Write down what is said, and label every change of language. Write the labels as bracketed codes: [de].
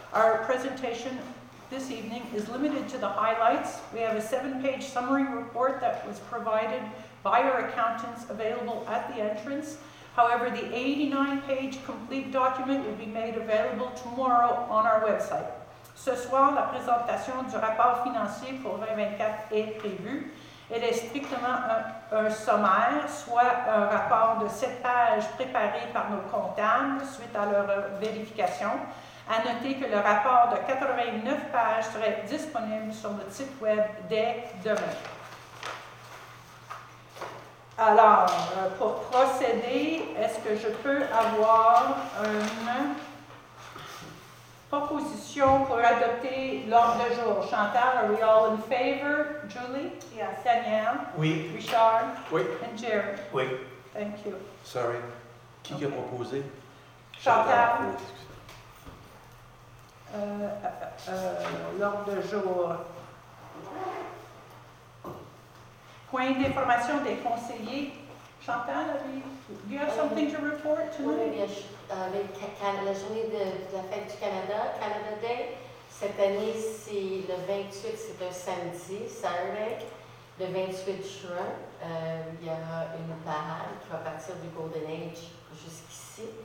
[en] Our presentation this evening is limited to the highlights. We have a 7-page summary report that was provided by our accountants available at the entrance. However, the 89-page complete document will be made available tomorrow on our website. [fr] Ce soir, la présentation du rapport financier pour 2024 est prévue. Elle est strictement un sommaire, soit un rapport de 7 pages préparé par nos comptables suite à leur vérification. À noter que le rapport de 89 pages serait disponible sur notre site web dès demain. Alors, pour procéder, est-ce que je peux avoir une proposition pour adopter l'ordre de jour? [en] Chantal, are we all in favor? Julie? Yes. Danielle? [fr] Oui. [en] Richard? [fr] Oui. [en] And Jerry? [fr] Oui. [en] Thank you. Sorry. [fr] Qui [en] okay. [fr] a proposé? Chantal? Chantal. L'ordre de jour. Point d'information des conseillers. [en] Chantal, do you have something to report tonight? [fr] Oui, la journée de la fête du Canada, [en] Canada Day. [fr] Cette année, c'est le 28, c'est un samedi, [en] Saturday. [fr] Le 28 juin, il y aura une parade qui va partir du Golden Age jusqu'ici.